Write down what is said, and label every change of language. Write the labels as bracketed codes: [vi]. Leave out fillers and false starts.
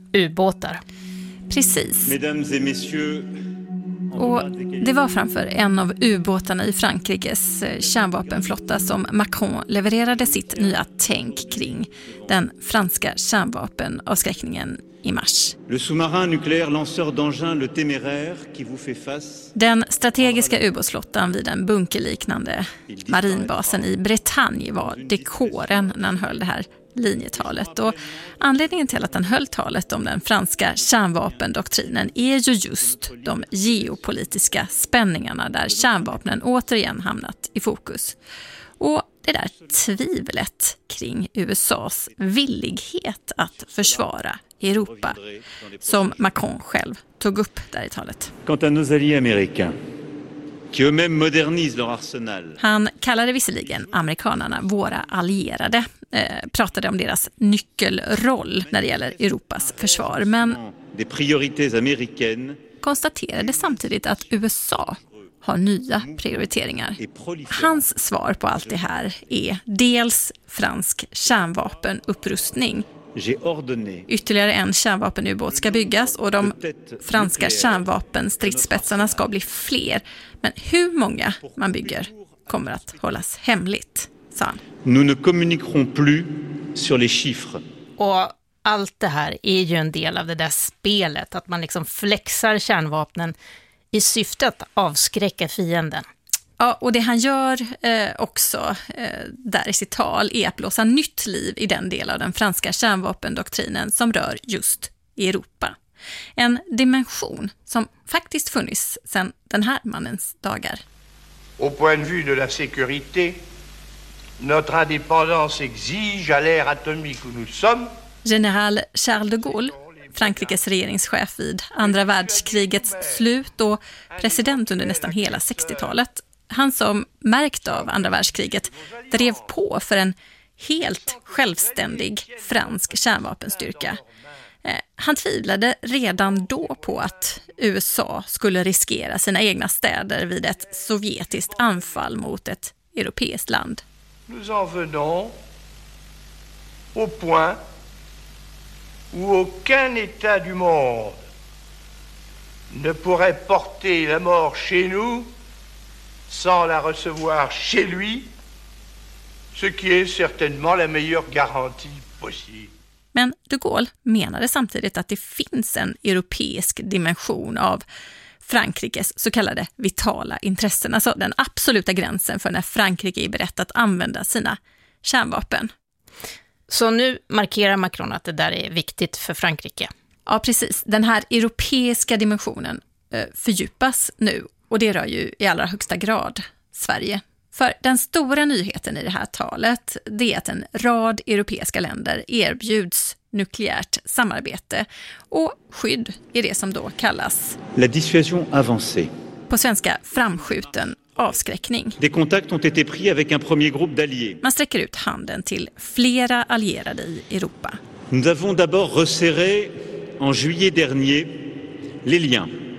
[sv] Ubåtar. Precis. [fr] Mesdames et messieurs. [sv] Och det var framför en av ubåtarna i Frankrikes kärnvapenflotta som Macron levererade sitt nya tänk kring den franska kärnvapenavskräckningen i mars. [fr] Le sous-marin nucléaire lanceur d'engins le téméraire qui vous fait face. [sv] Den strategiska ubåtsflottan vid den bunkerliknande marinbasen i Bretagne var dekoren när han höll det här linjetalet. Och anledningen till att han höll talet om den franska kärnvapendoktrinen är ju just de geopolitiska spänningarna där kärnvapnen återigen hamnat i fokus. Och det där tvivlet kring USA:s villighet att försvara Europa, som Macron själv tog upp där i talet. [fr] Quant à nos alliés américains qui eux-mêmes modernisent leur arsenal. [sv] Han kallade visserligen amerikanerna våra allierade, pratade om deras nyckelroll när det gäller Europas försvar, men [fr] des priorités américaines [sv] konstaterade samtidigt att USA har nya prioriteringar. Hans svar på allt det här är dels fransk kärnvapenupprustning. Ytterligare en kärnvapenubåt ska byggas och de franska kärnvapenstridsspetsarna ska bli fler. Men hur många man bygger kommer att hållas hemligt, sa han. [fr] Nous ne communiquerons plus sur les chiffres. [sv] Och allt det här är ju en del av det där spelet, att man liksom flexar kärnvapnen i syfte att avskräcka fienden. Ja, och det han gör också där i sitt tal är att blåsa nytt liv i den del av den franska kärnvapendoktrinen som rör just Europa. En dimension som faktiskt funnits sedan den här mannens dagar. [fr] Au point de vue de la sécurité, notre indépendance exige à l'ère atomique où nous sommes. [sv] General Charles de Gaulle, Frankrikes regeringschef vid andra världskrigets slut och president under nästan hela 60-talet. Han som märkt av andra världskriget drev på för en helt självständig fransk kärnvapenstyrka. Han tvivlade redan då på att USA skulle riskera sina egna städer vid ett sovjetiskt anfall mot ett europeiskt land. [fr] Nous en venons au point où aucun état du monde ne pourrait porter la mort chez nous sans la recevoir chez lui, ce qui est certainement la meilleure garantie possible. [sv] Men de Gaulle menade samtidigt att det finns en europeisk dimension av Frankrikes så kallade vitala intressen, alltså den absoluta gränsen för när Frankrike är berett att använda sina kärnvapen. Så nu markerar Macron att det där är viktigt för Frankrike. Ja, precis. Den här europeiska dimensionen fördjupas nu, och det rör ju i allra högsta grad Sverige. För den stora nyheten i det här talet är att en rad europeiska länder erbjuds nukleärt samarbete och skydd i det som då kallas [fr] la dissuasion avancée. [sv] På svenska framskjuten avskräckning. [fr] Des contacts ont été pris avec un premier groupe d'alliés. [sv] Man sträcker ut handen till flera allierade i Europa. [fr] Nous avons d'abord resserré en juillet dernier les liens.